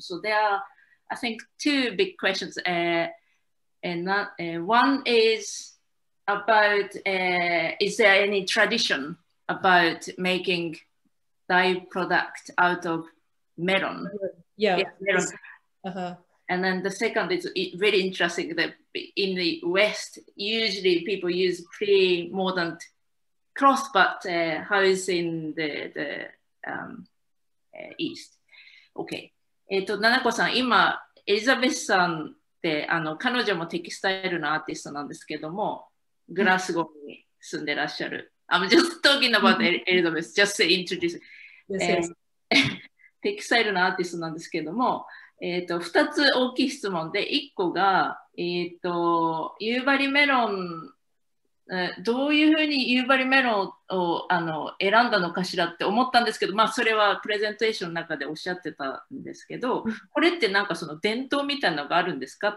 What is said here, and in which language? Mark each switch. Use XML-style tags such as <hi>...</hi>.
<en>So there are, I think, two big questions. One is about, is there any tradition about making dye product out of melon? Yeah. Uh-huh. And then the second is really interesting that in the West, usually people use pre-mordant cloth, but how is in the East. Okay.</en> <ja>Nanako さん、今、エリザベスさんって、彼女もテキスタイルのアーティストなんですけども、グラスゴーに住んでらっしゃる。</ja> <en>I'm just talking about Elizabeth, just to introduce.</en> <ja>テキスタイルのアーティストなんですけども、2つ大きい質問で、1個が、夕張メロン、どういうふうに夕張メロンを選んだのかしらって思ったんですけど、まあ、それはプレゼンテーションの中でおっしゃってたんですけど、これってなんかその伝統みたいなのがあるんですか？</ja>